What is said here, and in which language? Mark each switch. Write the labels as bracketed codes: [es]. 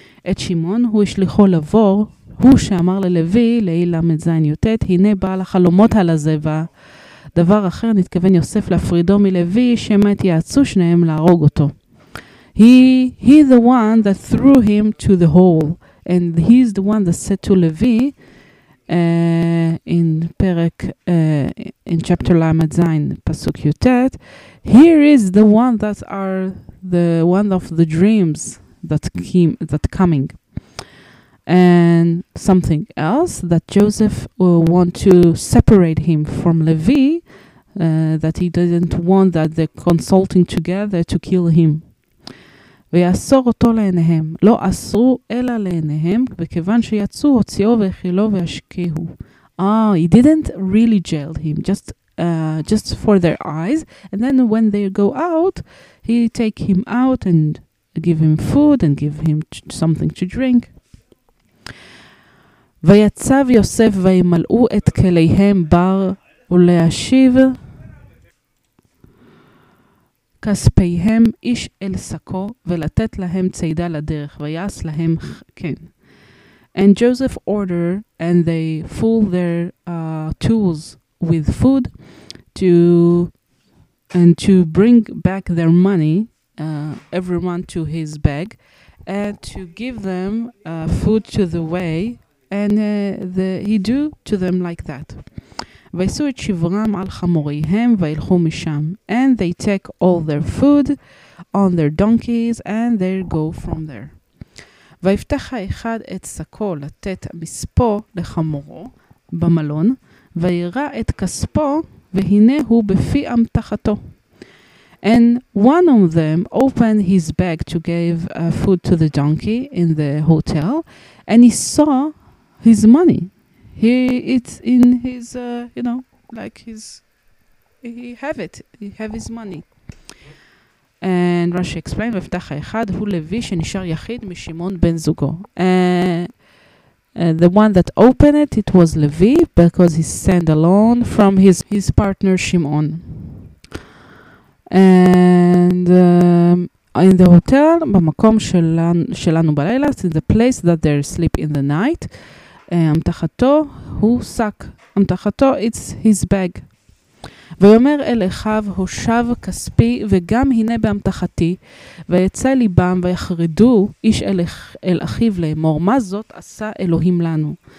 [he] את שמעון, הוא השליחו לבור, הוא שאמר ללוי, לילה מזיין יוטט, הנה בעל החלומות על הזבה. דבר אחר, נתכוון יוסף להפרידו מלוי, שמת יעצו שניהם להרוג אותו. [en] He the one that threw him to the hole, and he's the one that said to Levi, in פרק, in chapter [he] למד זיין, פסוק יוטט, [en] here is the one that are the one of the dreams that came, that coming. And something else, that Joseph will want to separate him from Levi, that he doesn't want that they're consulting together to kill him. [he] ויאסור אותו לעיניהם, לא אסרו אלא לעיניהם, וכיוון שיצאו, הוציאו והכילו והשקיעו. [en] Ah, he didn't really jail him, just for their eyes. And then when they go out, he take him out and give him food and give him something to drink. [he] ויצב יוסף וימלאו את כליהם בר ולהשיב כספיהם איש אל סקו ולתת להם צידה לדרך ויעש להם כן. [en] And Joseph order and they full their tools with food to bring back their money every month to his bag and to give them food to the way. And he do to them like that. [he] ויסו את שברם על חמוריהם וילכו משם. [en] And they take all their food on their donkeys and they go from there. [he] ויפתח האחד את סקו לתת מספו לחמורו במלון, ויראה את כספו והנה הוא בפי אמתחתו. [en] And one of them opened his bag to give food to the donkey in the hotel, and he saw his money, it's in his you know, like his, he have his money. And Rashi explained, [he] ויפתח האחד הוא לוי שנשאר יחיד משמעון בן זוגו. [en] The one that opened it was Levi, because he stand alone from his partner Shimon. And in the hotel, [he] במקום שלנו בלילה, [en] in the place that they sleep in the night, [he] אמתחתו, הוא סק. אמתחתו, [en] it's his bag. [he] ויאמר אל אחיו, הושב כספי וגם הנה באמתחתי, ויצא ליבם ויחרדו איש אל אחיו לאמור, מה זאת עשה אלוהים לנו?